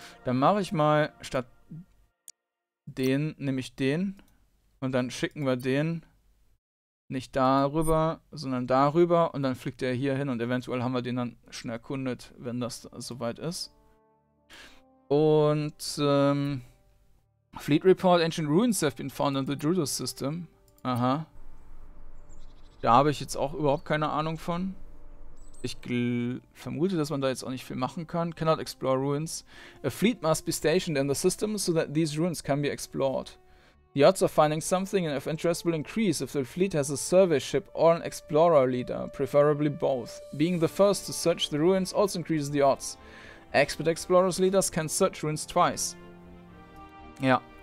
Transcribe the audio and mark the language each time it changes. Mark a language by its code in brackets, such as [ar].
[de] Dann mache ich mal statt den, nehme ich den und dann schicken wir den nicht darüber, sondern darüber und dann fliegt er hier hin und eventuell haben wir den dann schon erkundet, wenn das soweit ist. [en] Und Fleet Report, Ancient Ruins have been found in the Judo System. Aha. [de] Da habe ich jetzt auch überhaupt keine Ahnung von. Ich vermute, dass man da jetzt auch nicht viel machen kann. [en] Cannot explore ruins. A fleet must be stationed in the system so that these ruins can be explored. The odds of finding something of interest will increase if the fleet has a survey ship or an explorer leader, preferably both. Being the first to search the ruins also increases the odds. Expert explorers leaders can search ruins twice. Ja.